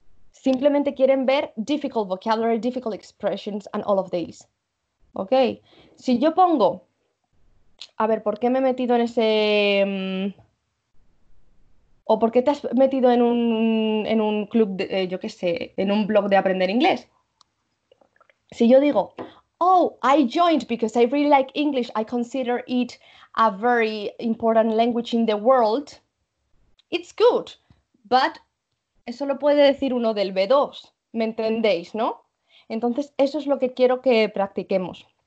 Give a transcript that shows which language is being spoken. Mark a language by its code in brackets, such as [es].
[es] Simplemente quieren ver [en] difficult vocabulary, difficult expressions and all of these, ¿ok? [es] Si yo pongo, a ver, ¿por qué me he metido en ese ¿O por qué te has metido en un club, de, yo qué sé, en un blog de aprender inglés? Si yo digo, [en] oh, I joined because I really like English, I consider it a very important language in the world, it's good. [es] But eso lo puede decir uno del B2, ¿me entendéis, no? Entonces, eso es lo que quiero que practiquemos.